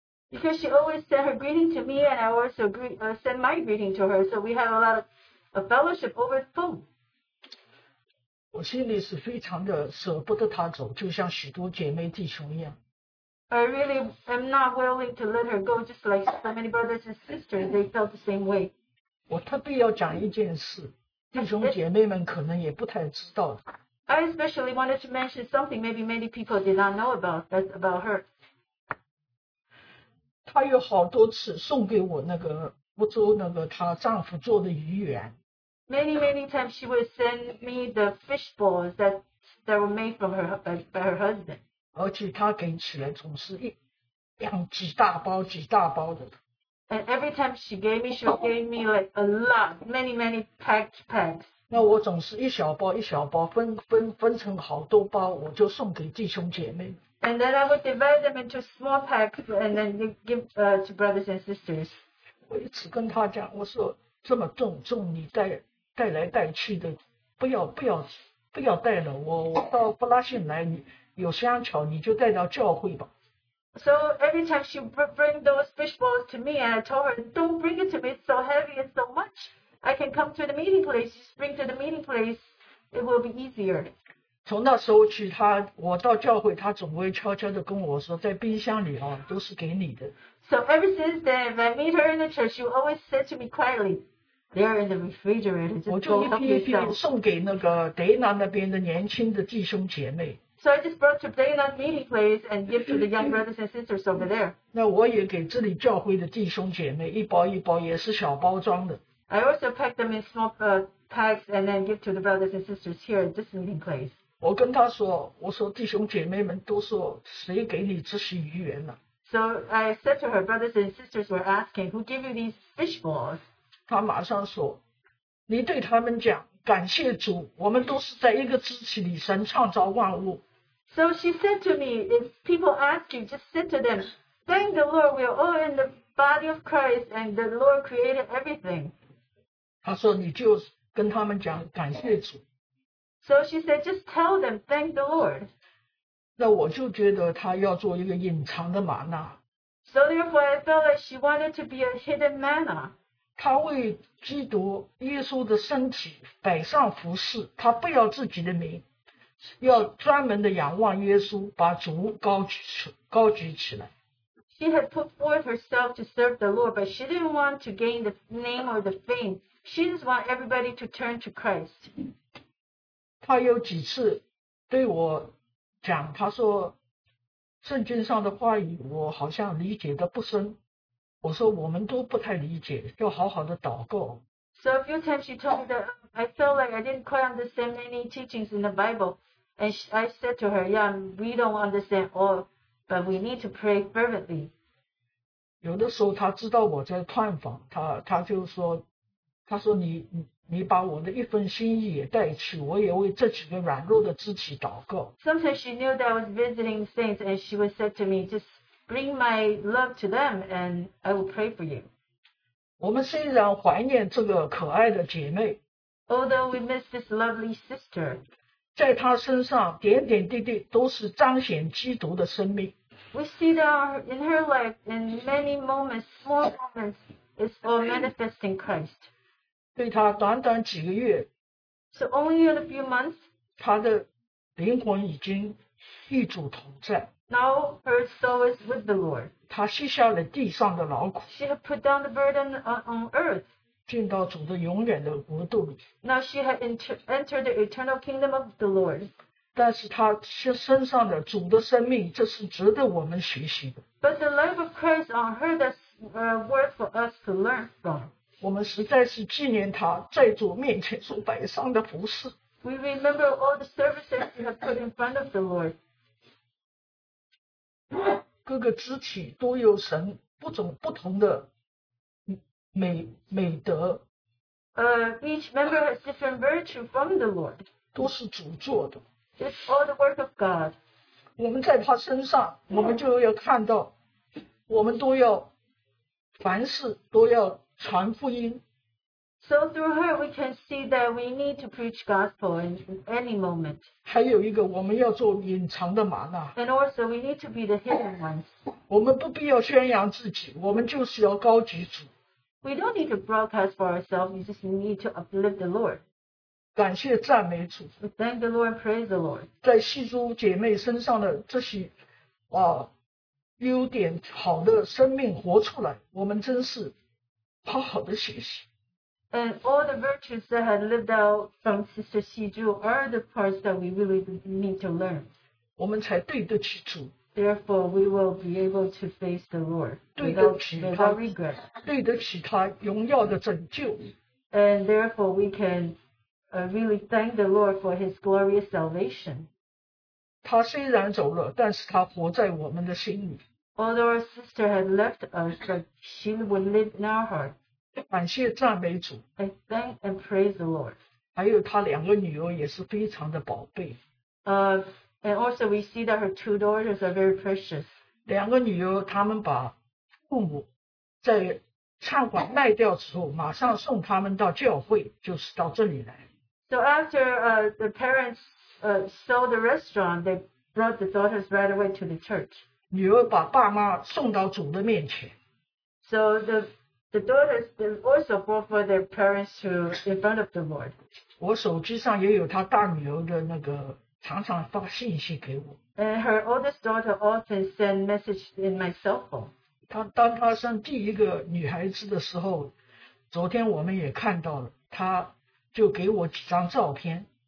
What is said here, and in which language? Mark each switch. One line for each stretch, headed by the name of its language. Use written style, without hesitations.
English: Because she always sent her greeting to me, and I also send my greeting to her, so we have a lot of fellowship over the phone.
Chinese: 我心里是非常的舍不得他走，就像许多姐妹弟兄一样。
English: I really am not willing to let her go, just like so many brothers and sisters, they felt the same way.
Chinese: 我特别要讲一件事，弟兄姐妹们可能也不太知道。
English: I especially wanted to mention something maybe many people did not know about her.
Chinese: 她有好多次送给我那个福州那个她丈夫做的鱼圆。
English: Many, many times she would send me the fish balls that were made from her, by her husband.
Chinese: 而且他给起来总是量几大包几大包的。
English: And every time she gave me like a lot, many, many packed packs.
Chinese: 那我总是一小包一小包分成好多包，我就送给弟兄姐妹。
English: And then I would divide them into small packs and then give to brothers and sisters.
Chinese: 我一直跟他讲，我说这么重你带来带去的，不要带了，我到布拉逊来你。有相巧，你就带到教会吧。
English: So every time she bring those fish balls to me, and I told her, "Don't bring it to me. It's so heavy and so much. I can come to the meeting place. Just bring to the meeting place. It will be easier."
Chinese: 从那时候起，我到教会，他总会悄悄地跟我说，在冰箱里啊，都是给你的。
English: So ever since then, if I meet her in the church, she always said to me quietly, "They are in the refrigerator. Just go help yourself."
Chinese: 我就一批一批送给那个德纳那边的年轻的弟兄姐妹。
English: So I just brought to Dana's meeting place and give to the young brothers and sisters over there.
Chinese: 那我也给这里教会的弟兄姐妹一包一包，也是小包装的。
English: I also packed them in small packs and then give to the brothers and sisters here at this meeting place.
Chinese: 我跟他说，我说弟兄姐妹们都说谁给你这些鱼圆呢？
English: So I said to her, brothers and sisters were asking, who gave you these fish balls?
Chinese: 他马上说，你对他们讲。感谢主，我们都是在一个肢体里，神创造万物。
English: So she said to me, if people ask you, just say to them, thank the Lord, we are all in the body of Christ, and the Lord created everything.
Chinese: 她说你就跟他们讲感谢主。
English: So she said, just tell them, thank the Lord.
Chinese: 那我就觉得她要做一个隐藏的玛纳。
English: So therefore, I felt like she wanted to be a hidden manna.
Chinese: 他为基督耶稣的身体摆上服饰，他不要自己的名，要专门的仰望耶稣，把主高举起来。
English: She had put forth herself to serve the Lord, but she didn't want to gain the name or the fame. She just want everybody to turn to Christ.
Chinese: 他有几次对我讲，他说圣经上的话语我好像理解的不深，我说我们都不太理解，要好好的祷告。
English: So a few times she told me that I felt like I didn't quite understand many teachings in the Bible. And I said to her, yeah, we don't understand all, but we need to pray fervently.
Chinese: 有的时候她知道我在探访，她就说，她说你把我的一份心意也带去，我也为这几个软弱的肢体祷告。
English: Sometimes she knew that I was visiting saints and she would say to me, just bring my love to them and I will pray for you.
Chinese: 我们虽然怀念这个可爱的姐妹，
English: although we miss this lovely sister,
Chinese: 在她身上点点滴滴都是彰显基督的生命。
English: We see that in her life, in many moments, small moments, it's all manifesting Christ.
Chinese: 对她短短几个月，
English: so only in a few months,
Chinese: 她的灵魂已经与主同在。
English: Now her soul is with the Lord.
Chinese: 她卸下了地上的劳苦。
English: She had put down the burden on earth.
Chinese: 进到主的永远的国度里。
English: Now she had entered the eternal kingdom of the Lord.
Chinese: 但是她身上的主的生命，这是值得我们学习的。
English: But the life of Christ on her, that's a word for us to learn from.
Chinese: 我们实在是纪念她在主面前所摆上的服事。
English: We remember all the services she had put in front of the Lord.
Chinese: 各个肢体都有神不种不同的 美德。
English: Each member has different virtue from the Lord.
Chinese: 都是主做的。
English: It's all the work of God.
Chinese: 我们在他身上，我们就要看到，我们都要凡事都要传福音。
English: So through her, we can see that we need to preach gospel in any moment.
Chinese: 还有一个，我们要做隐藏的玛纳。
English: And also, we need to be the hidden ones.
Chinese: 我们不必要宣扬自己，我们就是要高举主。
English: We don't need to broadcast for ourselves, we just need to uplift the Lord.
Chinese: 感谢赞美主。
English: Thank the Lord, praise the Lord.
Chinese: 在细珠姐妹身上的这些优点，好的生命活出来，我们真是好好的学习。
English: And all the virtues that had lived out from Sister Xizhu are the parts that we really need to learn.
Chinese: 我们才对得起主。
English: Therefore, we will be able to face the Lord without regret.
Chinese: 对得起他荣耀的拯救。
English: And therefore, we can really thank the Lord for his glorious salvation.
Chinese: 他虽然走了，但是他活在我们的心里。
English: Although our sister had left us, but she would live in our heart.
Chinese: 感谢赞美主。
English: I thank and praise the Lord.
Chinese: 还有她两个女儿也是非常的宝贝。
English: And also we see that her two daughters are very precious.
Chinese: 两个女儿她们把父母在忏悔卖掉之后，马上送她们到教会，就是到这里来。
English: So after the parents sold the restaurant, they brought the daughters right away to the church.
Chinese: 女儿把爸妈送到主的面前。
English: So the daughters also brought for their parents to in front of the Lord.
Chinese: 我手机上也有她大女儿的那个，常常发信息给我。
English: And her oldest daughter often sent message in my cell phone.
Chinese: 她当她生第一个女孩子的时候，昨天我们也看到了，她就给我几张照片。